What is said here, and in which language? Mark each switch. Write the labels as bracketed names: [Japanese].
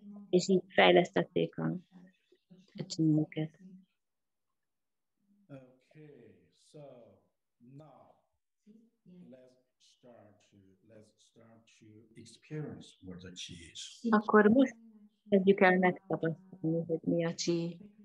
[Hungarian] És így fejlesztették a csinyóket. [English] Okay. Now, let's start to experience what the chi is. [Hungarian] Akkor most kezdjük el megtapasztalni, hogy mi a chi.